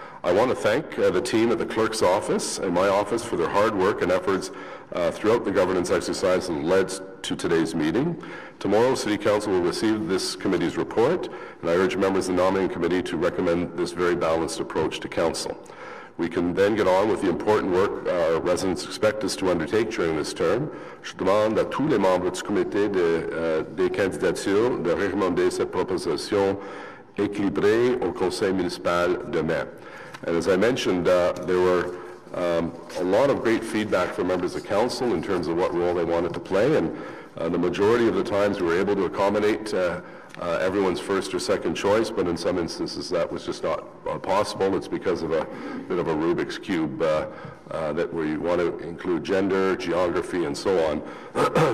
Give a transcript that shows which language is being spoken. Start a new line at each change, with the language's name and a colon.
English: I want to thank the team at the Clerk's Office and my office for their hard work and efforts throughout the governance exercise and led to today's meeting. Tomorrow, City Council will receive this committee's report, and I urge members of the nominating committee to recommend this very balanced approach to Council. We can then get on with the important work our residents expect us to undertake during this term.
French: Je demande à tous les membres du comité des candidatures de recommander cette proposition équilibrée au Conseil municipal demain.
English: And as I mentioned, there were a lot of great feedback from members of Council in terms of what role they wanted to play, and the majority of the times we were able to accommodate everyone's first or second choice, but in some instances that was just not possible. It's because of a bit of a Rubik's Cube that we want to include gender, geography, and so on.